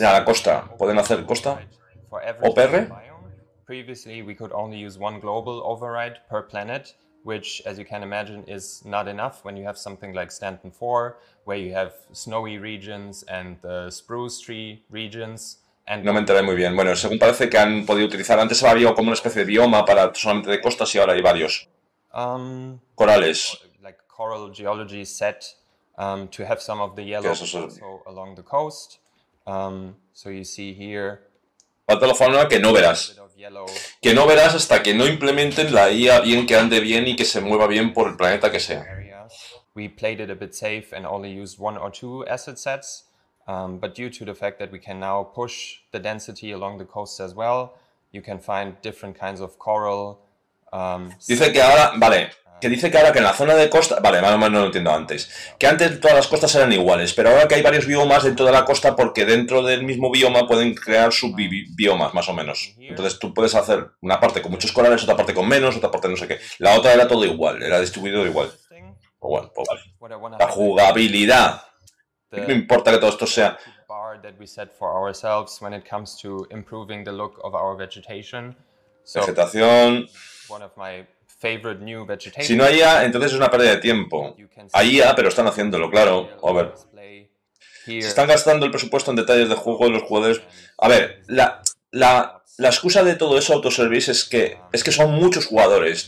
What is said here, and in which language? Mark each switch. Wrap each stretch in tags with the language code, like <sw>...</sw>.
<es>Ya, la costa. ¿Pueden hacer costa? ¿OPR?</es> <en>Previously we could only use one global override per planet, which, as you can imagine, is not enough when you have something like Stanton 4, where you have snowy regions and the spruce tree regions.</en> <es>No me enteré muy bien. Bueno, según parece que han podido utilizar, antes había como una especie de bioma para solamente de costas y ahora hay varios. Corales.</es> <en>Like coral geology set to have some of the yellow also along the coast. So you see here.</en> <es>Falta la fauna que no verás. Que no verás hasta que no implementen la IA bien, que ande bien y que se mueva bien por el planeta que sea.</es> <en>We played it a bit safe and only used one or two asset sets. But due to the fact that we can now push the density along the coast as well, you can find different kinds of coral.</en> <es>Dice que ahora, vale, que dice que ahora que en la zona de costa, vale, más o menos no lo entiendo antes, que antes todas las costas eran iguales, pero ahora que hay varios biomas dentro de la costa, porque dentro del mismo bioma pueden crear subbiomas, más o menos. Entonces tú puedes hacer una parte con muchos corales, otra parte con menos, otra parte no sé qué. La otra era todo igual, era distribuido igual. Pues bueno, pues vale. La jugabilidad. No importa que todo esto sea.</es> <en>Bar that we set for ourselves when it comes to improving the look of our vegetation.</en> <es>So, vegetación.</es> <en>One of my favorite new vegetation.</en> <es>Si no hay IA, entonces es una pérdida de tiempo. Hay IA, pero están haciéndolo, claro. A ver. Se están gastando el presupuesto en detalles de juego de los jugadores. A ver, la excusa de todo eso, autoservice, es que son muchos jugadores.</es>